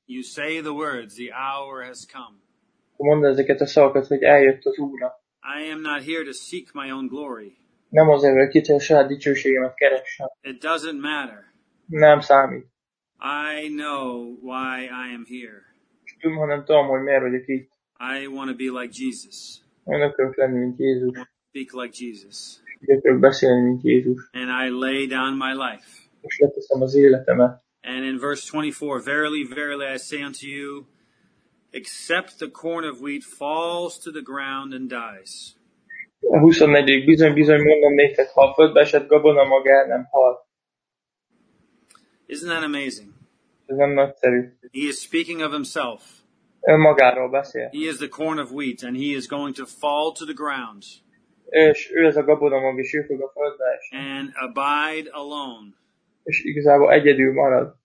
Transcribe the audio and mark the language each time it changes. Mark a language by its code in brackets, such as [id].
[en] You say the words, the hour has come. [hu] Mondd ezeket a szavakat, hogy eljött az óra. [en] I am not here to seek my own glory. [hu] Nem azért, hogy kicsit a saját dicsőségemet keressem. [en] It doesn't matter. [hu] Nem számít. [en] I know why I am here. [hu] Tudom, hanem tudom, hogy miért vagyok itt. [en] I want to be like Jesus. [hu] Én akarok lenni, mint Jézus. [en] I want to speak like Jesus. [hu] Én akarok beszélni, mint Jézus. [en] And I lay down my life. [hu] És leteszem az életemet. [en] And in verse 24, verily, verily, I say unto you, except the corn of wheat falls to the ground and dies. [hu] 24. Bizony, bizony, mondom néked, ha a földbe esett gabona, maga el nem hal. [en] Isn't that amazing? [hu] Ez nem nagyszerű. [en] He is speaking of himself. [hu] Ő magáról beszél. [en] He is the corn of wheat, and he is going to fall to the ground. [hu] És ő ez a gabona mag, és ő fog a földbe esni. [en] And abide alone. [hu] És igazából egyedül marad.